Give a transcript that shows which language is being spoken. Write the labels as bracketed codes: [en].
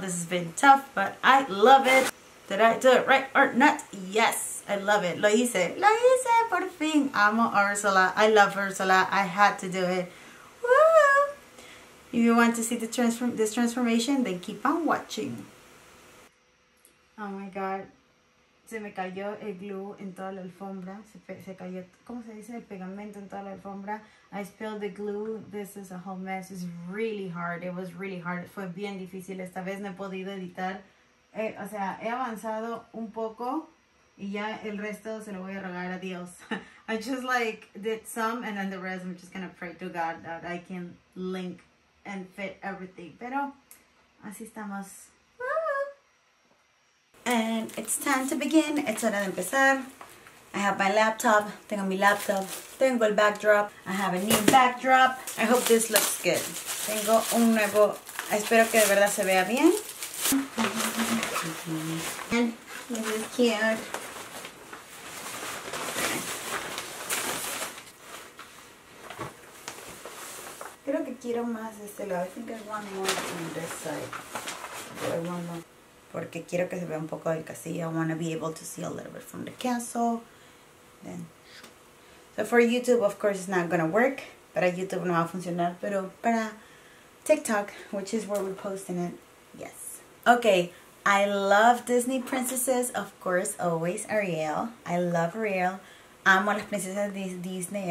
[en] This has been tough, but I love it. Did I do it right or not? Yes, I love it. [es] Lo hice, por fin. Amo a Ursula. [en] I love Ursula. I had to do it. Woo! If you want to see the this transformation, then keep on watching. Oh my god. [es] Se me cayó el glue en toda la alfombra. Se cayó, ¿cómo se dice? El pegamento en toda la alfombra. [en] I spilled the glue. This is a whole mess. It's really hard. It was really hard. [es] Fue bien difícil. Esta vez no he podido editar. He avanzado un poco. Y ya el resto se lo voy a rogar a Dios. [en] I just like did some and then the rest I'm just gonna pray to God that I can link and fit everything. [es] Pero así estamos. [en] And it's time to begin. It's [es] hora de empezar. [en] I have my laptop. [es] Tengo mi laptop. Tengo el backdrop. [en] I have a new backdrop. I hope this looks good. [es] Tengo un nuevo. Espero que de verdad se vea bien. [en] And this is cute. [es] Creo que quiero más este lado. [en] I think I want more on this side. I want more. [es] Porque quiero que se vea un poco del castillo. [en] I want to be able to see a little bit from the castle. Then. So for YouTube, of course, it's not going to work. [es] Para YouTube no va a funcionar. Pero para [en] TikTok, which is where we're posting it. Yes. Okay. I love Disney princesses. Of course, always Ariel. I love Ariel. [es] Amo a las princesas de Disney.